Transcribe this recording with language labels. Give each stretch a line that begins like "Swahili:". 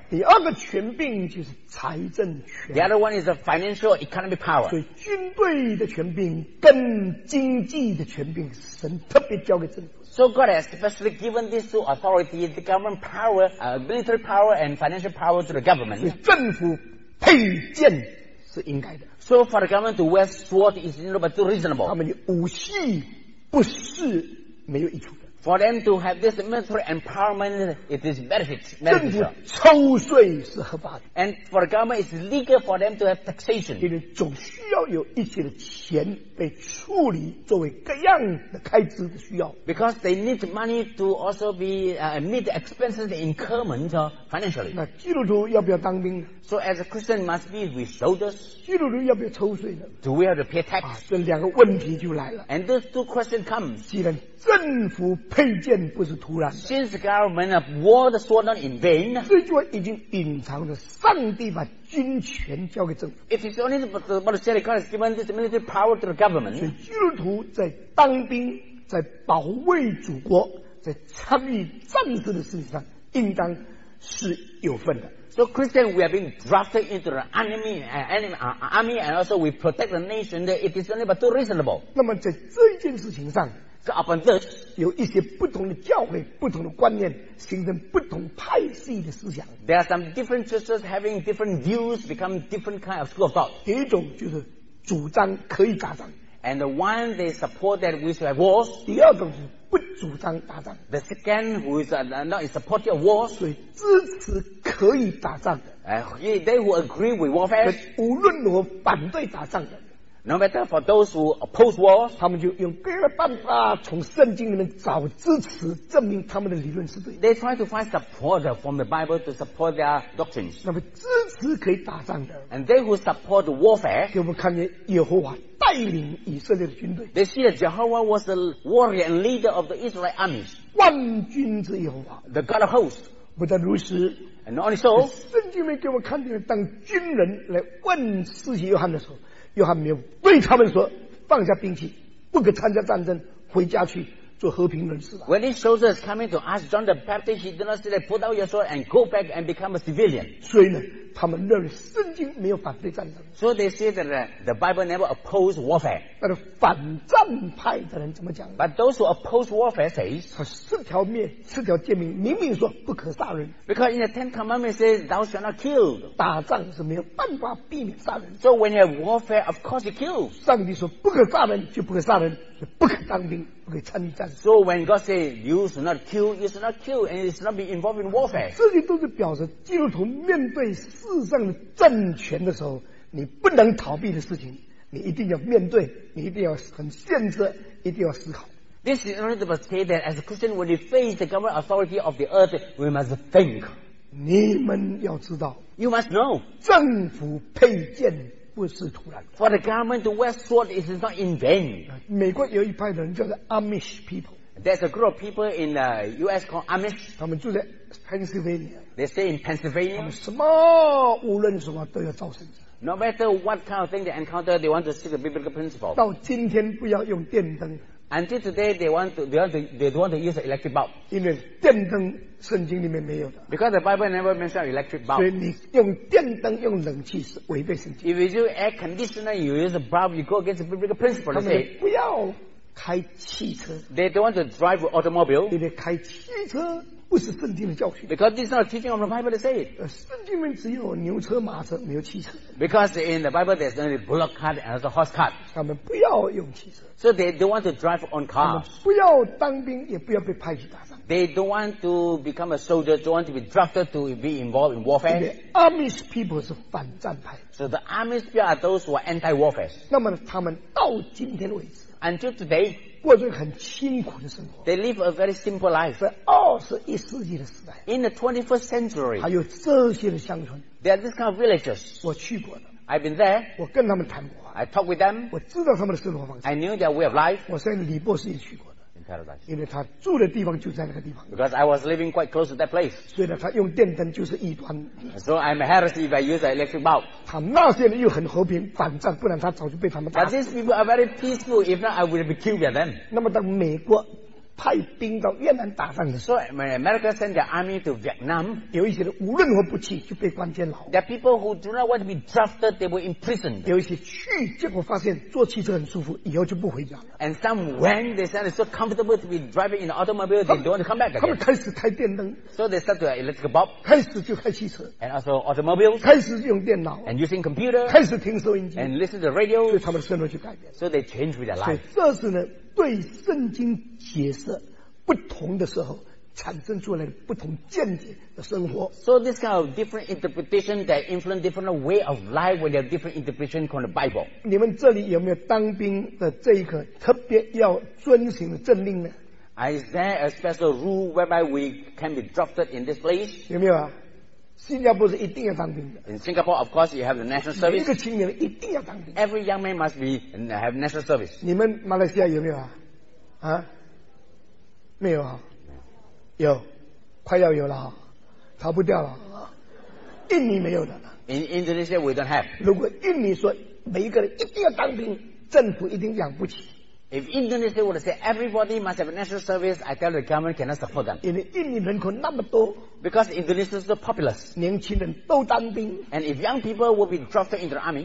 Chinese: 第二个权柄就是财政权。
English: The other one is the financial economy power.
Chinese: 所以军队的权柄跟经济的权柄，神特别交给政府。
English: So God has specially given these two authorities, the government power, military power and financial power to the government.
Chinese: 所以政府配剑是应该的。
English: So for the government to wear sword is not reasonable.
Chinese: 他们的武器不是没有益处。
English: For them to have this military empowerment, it is beneficial.
Chinese: 政府抽税是合法的。
English: And for the government, it's legal for them to have taxation.
Chinese: 因为总需要有一些的钱被处理作为各样的开支的需要。
English: Because they need money to also be, meet the expenses incurment financially.
Chinese: 那基督徒要不要当兵
English: ？So as a Christian must be with soldiers.
Chinese: 基督徒要不要抽税呢
English: ？Do we have to pay tax？
Chinese: 这两个问题就来了。
English: And those two questions come.
Chinese: 既然政府配件不是突然的。
English: Since government of war the sword not in vain.
Chinese: 这句话已经隐藏着上帝把军权交给政府。
English: If it's only about the city, God has given this military power to the government.
Chinese: 所以基督徒在当兵，在保卫祖国，在参与战争的事情上，应当是有份的。
English: So Christian, we have been drafted into the army, and also we protect the nation. It is only but too reasonable.
Chinese: 那么在这件事情上。
English: Upon this,
Chinese: 有一些不同的教会不同的观念形成不同派系的思想
English: There are some different churches having different views become different kind of school of thought
Chinese: 一种就是主张可以打仗
English: And the one they support that we should have wars
Chinese: 第二种是不主张打仗
English: The second who is not in support of wars
Chinese: 所以支持可以打仗的
English: They who agree with warfare
Chinese: 无论如何反对打仗的
English: No matter for those who oppose wars,
Chinese: 他们就用各样的办法从圣经里面找支持，证明他们的理论是对的。
English: They try to find support from the Bible to support their doctrines.
Chinese: 那么支持可以打仗的。
English: And they who support warfare,
Chinese: 给我们看见耶和华带领以色列的军队。
English: They see that Jehovah was the warrior and leader of the Israelite armies.
Chinese: 万军之耶和华
English: ，the God of hosts.
Chinese: 不但如此。
English: And only so,
Chinese: 圣经里面给我看见，当军人来问司祭约翰的时候，约翰没有对他们说放下兵器，不可参加战争，回家去做和平人士吧。
English: When these soldiers coming to ask John the Baptist, he did not say, "Put out your sword and go back and become a civilian."
Chinese: 所以呢，他们认为圣经没有反对战争。
English: So they say that the Bible never opposed warfare.
Chinese: 但是反战派的人怎么讲
English: ？But those who oppose warfare say,
Chinese: 他四条诫命明明说不可杀人。
English: Because in the Ten Commandments says, "Thou shalt not kill."
Chinese: 打仗是没有办法避免杀人。
English: So when you have warfare, of course you kill.
Chinese: 上帝说不可杀人就不可杀人，不可当兵，不可参与战争。
English: So when God says you should not kill, you should not kill, and you should not be involved in warfare.
Chinese: 这些都是表示基督徒面对世上的政权的时候，你不能逃避的事情，你一定要面对，你一定要很现实，一定要思考。
English: This is only to say that as a Christian, when you face the government authority of the earth, we must think.
Chinese: 你们要知道
English: ，You must know，
Chinese: 政府配件不是突然的。
English: For the government to wear sword is not in vain。
Chinese: 美国有一派人叫做 Amish people。
English: There's a group of people in the U.S. called Amish.
Chinese: 他们住在 Pennsylvania.
English: They stay in Pennsylvania.
Chinese: 他们什么无论什么都要照圣经。
English: No matter what kind of thing they encounter, they want to see the biblical principle.
Chinese: 到今天不要用电灯。
English: Until today, they want to use an electric bulb.
Chinese: 因为电灯圣经里面没有的。
English: Because the Bible never mentions electric bulb.
Chinese: 所以你用电灯用冷气是违背圣经。
English: If you use air conditioner, you use a bulb, you go against the biblical principle.
Chinese: 他们不要。开汽车
English: They don't want to drive an automobile.
Chinese: 因为开汽车不是圣经的教训
English: Because this is not teaching of the Bible to say it.
Chinese: 圣经里面只有牛车马车没有汽车
English: Because in the Bible there's only bullock cart and also horse cart.
Chinese: 他们不要用汽车
English: So they don't want to drive on cars.
Chinese: 他们不要当兵也不要被派去打仗
English: They don't want to become a soldier, don't want to be drafted to be involved in warfare. The Amish people
Chinese: 是反战派
English: So the Amish people are those who are anti-warfare.
Chinese: 那么他们到今天为止
English: Until today,
Chinese: 过着很清苦的生活。
English: They live a very simple life.
Chinese: 在二十一世纪的时代。
English: In the 21st century,
Chinese: 还有这些的乡村。
English: There are this kind of villages.
Chinese: 我去过的。
English: I've been there.
Chinese: 我跟他们谈过。
English: I talked with them.
Chinese: 我知道他们的生活方式。
English: I knew their way of life.
Chinese: 我在李博士也去过的。
English: In paradise.
Chinese: 因为他住的地方就在那个地方。
English: Because I was living quite close to that place.
Chinese: 所以他用电灯就是异端。
English: So I'm a heresy if I use an electric bulb.
Chinese: 他那些人又很和平，反战，不然他早就被他们打死。
English: But these people are very peaceful. If not, I would be killed by them.
Chinese: 那么当美国派兵到越南打仗的时候
English: ，When America sent their army to Vietnam,
Chinese: 有一些人无论如何不去就被关监牢。
English: There are people who do not want to be drafted, they were imprisoned.
Chinese: 有一些去，结果发现坐汽车很舒服，以后就不回家了。
English: And some went, they said it's so comfortable to be driving in the automobile, they don't want to come back again.
Chinese: 他们开始开电灯
English: ，So they start to have electric bulb.
Chinese: 开始就开汽车
English: ，And also automobiles.
Chinese: 开始用电脑
English: ，And using computer.
Chinese: 开始听收音机
English: ，And listen to radio.
Chinese: 所以他们的生活就改变
English: ，So they change with their life.
Chinese: 所以这是呢。对圣经解释不同的时候产生出来的不同见解的生活
English: So this kind of different interpretation that influence different way of life when they have different interpretation from the Bible
Chinese: 你们这里有没有当兵的这一个特别要遵循的政令呢
English: Is there a special rule whereby we can be drafted in this place
Chinese: 有没有啊新加坡是一定要当兵的
English: In Singapore of course you have the national service
Chinese: 每一个青年一定要当兵
English: Every young man must be have national service
Chinese: 你们马来西亚有没有啊啊没有啊有快要有了逃不掉了印尼没有的
English: In Indonesia we don't have
Chinese: 如果印尼说每一个人一定要当兵政府一定养不起
English: If Indonesia would say everybody must have a national service I tell the government cannot support them
Chinese: 因为印尼人口那么多
English: Because Indonesia is so populous.
Chinese: 年轻人都当兵
English: And if young people will be drafted into the army,